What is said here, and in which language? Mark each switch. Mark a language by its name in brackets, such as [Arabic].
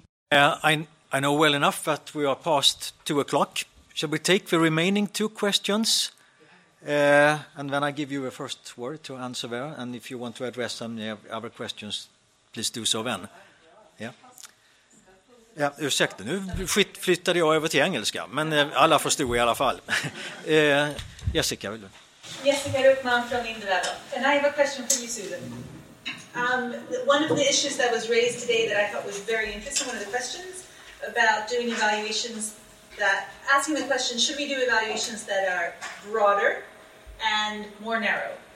[English] I know well enough that we are past 2:00. Shall we take the remaining two questions? And then I give you the first word to answer there. And if you want to address some other questions, please do so then. Yeah. [Swedish] Ja, ursäkta, nu flyttade jag över till engelska, men alla förstod i alla fall. Jessica, vill du? [English] Jessica Rukman from Indrevo. And I have a question for you, Susan. One of the issues that was raised today that I thought was very interesting, one of the questions about doing evaluations, that asking the question, should we do evaluations that are broader and more narrow?